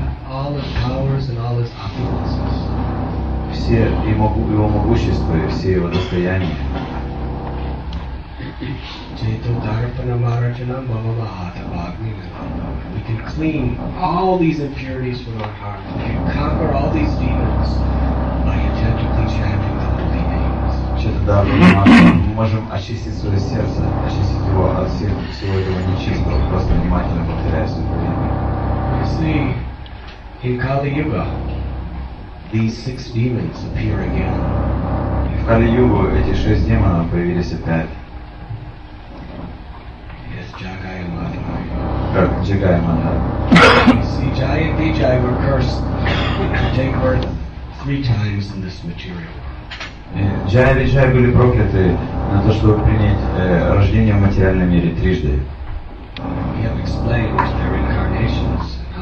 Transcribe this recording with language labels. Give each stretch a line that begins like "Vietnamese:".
English: All his powers and all his opulences.
Russian: Все его могущество и все его достояния.
Sanskrit: Jeto Dharpana Marajana Mamalahata Bhagni Nilam.
English: We can clean all these impurities from our heart. We can conquer all these demons by attentively chanting the holy names.
Sanskrit: Jeto Dharpana Marajana.
Russian: Мы можем очистить свое сердце, очистить его от всего этого нечистого, просто внимательно повторяя свое имя.
English: You see, in Kali Yuga, these six demons appear again.
Russian: В Кали Югу эти шесть демонов появились опять.
English: Yes, Jagaya Madhava.
Russian: Как Jagaya Madhava.
English: See, Jaya and Vijaya were cursed to take birth three times in this material world.
Russian: Jaya и Vijaya были прокляты на то, чтобы принять рождение в материальном мире трижды.
English: We have explained their incarnations.